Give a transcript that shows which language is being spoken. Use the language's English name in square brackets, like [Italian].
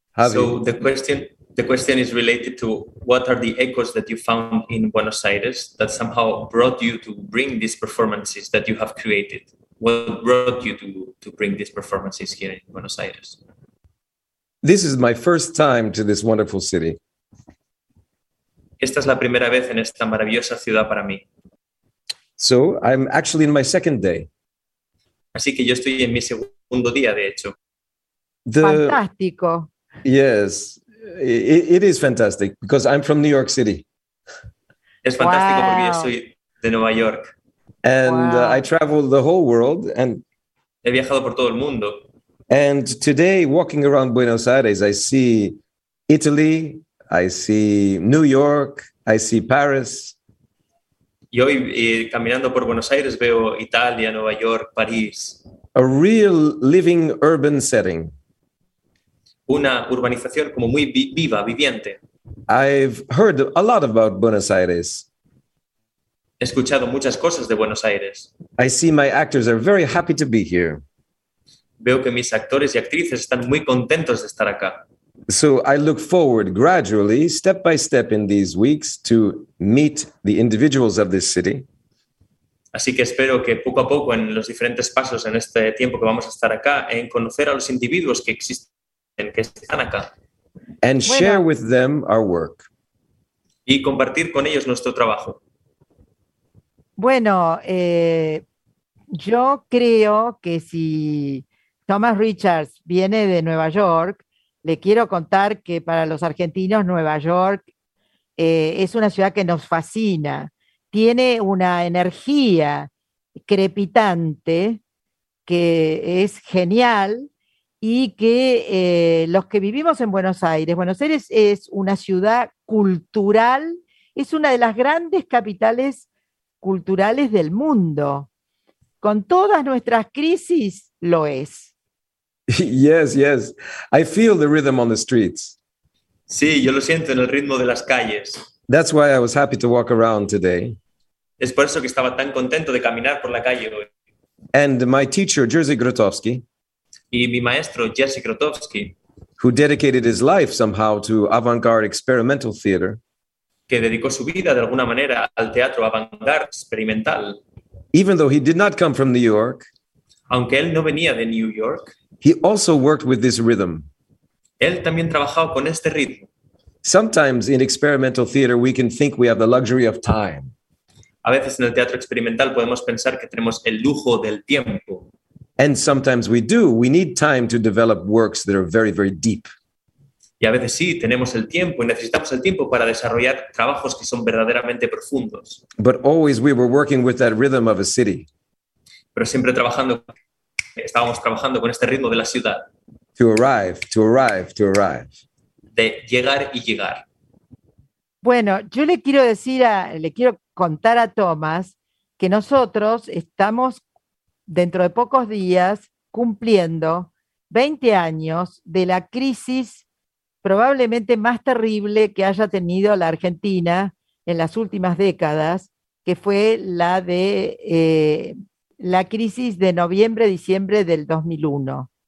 [English] So the question is related to what are the echoes that you found in Buenos Aires that somehow brought you to bring these performances that you have created. What brought you to bring these performances here in Buenos Aires? This is my first time to this wonderful city. [Spanish] Esta es la primera vez en esta maravillosa ciudad para mí. [English] So, I'm actually in my second day. [Spanish] Así que yo estoy en mi segundo día, de hecho. Fantástico. [English] Yes, it is fantastic, because I'm from New York City. [Spanish] Es fantástico, wow, porque yo soy de Nueva York. [English] And wow, I traveled the whole world. And [Spanish] he viajado por todo el mundo. [English] And today, walking around Buenos Aires, I see Italy, I see New York, I see Paris. [Spanish] Y hoy, caminando por Buenos Aires, veo Italia, Nueva York, París. [English] A real living urban setting. [Spanish] Una urbanización como muy viva, viviente. [English] I've heard a lot about Buenos Aires. [Spanish] He escuchado muchas cosas de Buenos Aires. [English] I see my actors are very happy to be here. [Spanish] Veo que mis actores y actrices están muy contentos de estar acá. [English] So I look forward gradually, step by step in these weeks, to meet the individuals of this city. [Spanish] Así que espero que poco a poco, en los diferentes pasos en este tiempo que vamos a estar acá, en conocer a los individuos que existen, que están acá. [English] and bueno, share with them our work. [Spanish] Y compartir con ellos nuestro trabajo. Bueno, yo creo que si Thomas Richards viene de Nueva York, le quiero contar que para los argentinos Nueva York es una ciudad que nos fascina. Tiene una energía crepitante que es genial y que los que vivimos en Buenos Aires es una ciudad cultural, es una de las grandes capitales culturales del mundo. Con todas nuestras crisis, lo es. [English] Yes, yes. I feel the rhythm on the streets. [Spanish] Sí, yo lo siento en el ritmo de las calles. [English] That's why I was happy to walk around today. [Spanish] Es por eso que estaba tan contento de caminar por la calle hoy. [English] And my teacher, Jerzy Grotowski. [Spanish] Y mi maestro, Jerzy Grotowski. [English] Who dedicated his life somehow to avant-garde experimental theater. [Spanish] Que dedicó su vida de alguna manera al teatro avant-garde experimental. [English] Even though he did not come from New York. [Spanish] Aunque él no venía de New York. [English] He also worked with this rhythm. [Spanish] Él también trabajaba con este ritmo. [English] Sometimes in experimental theater we can think we have the luxury of time. [Spanish] A veces en el teatro experimental podemos pensar que tenemos el lujo del tiempo. [English] And sometimes we do. We need time to develop works that are very, very deep. [Spanish] Y a veces sí, tenemos el tiempo y necesitamos el tiempo para desarrollar trabajos que son verdaderamente profundos. [English] But always we were working with that rhythm of a city. [Spanish] Pero siempre estábamos trabajando con este ritmo de la ciudad. [English] To arrive, to arrive, to arrive. [Spanish] De llegar y llegar. Bueno, yo le quiero contar a Tomás que nosotros estamos dentro de pocos días cumpliendo 20 años de la crisis probablemente más terrible que haya tenido la Argentina en las últimas décadas, que fue la de la crisis de noviembre-diciembre del 2001.